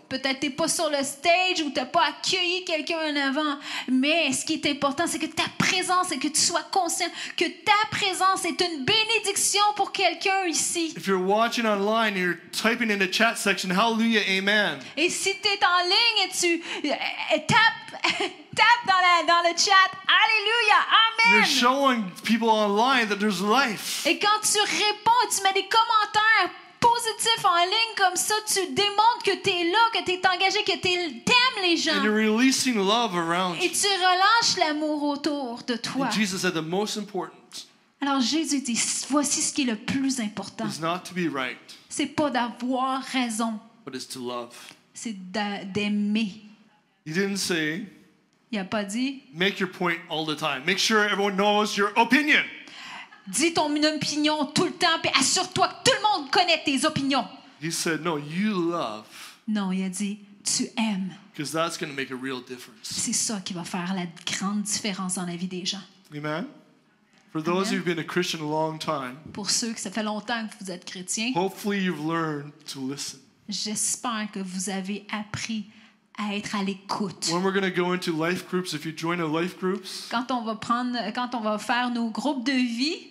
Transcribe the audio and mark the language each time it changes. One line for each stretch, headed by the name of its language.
French: Peut-être t'es pas sur le stage ou t'as pas accueilli quelqu'un en avant, mais ce qui est important, c'est que ta présence et que tu sois conscient que ta présence est une bénédiction pour quelqu'un ici.
English: If you're watching online, you're typing in the chat section, hallelujah, amen.
French: Et si t'es en ligne et tu tapes dans le chat, alléluia, amen.
English: You're showing people online that there's life.
French: Et quand tu réponds, tu mets des commentaires positif en ligne comme ça, tu démontres que t'es là, que t'es engagé, que t'aimes les gens.
English: And you're releasing love around.
French: Et tu relâches l'amour autour de toi.
English: And Jesus said the most important.
French: Alors Jésus dit, voici ce qui est le plus important.
English: Is not to be right.
French: C'est pas d'avoir raison.
English: But it's to love.
French: C'est d'aimer.
English: He didn't say.
French: Il a pas dit.
English: Make your point all the time. Make sure everyone knows your opinion.
French: Dis ton opinion tout le temps et assure-toi que tout le monde connaît tes opinions.
English: He said, no, you love.
French: Non, il a dit, tu aimes.
English: Because that's going to make a real difference.
French: C'est ça qui va faire la grande différence dans la vie des gens.
English: Amen. For those who've been a Christian a long time.
French: Pour ceux que ça fait longtemps que vous êtes chrétien.
English: Hopefully you've learned to listen.
French: J'espère que vous avez appris à être à l'écoute.
English: When we're going to go into life groups, if you join a life groups,
French: quand on va faire nos groupes de vie,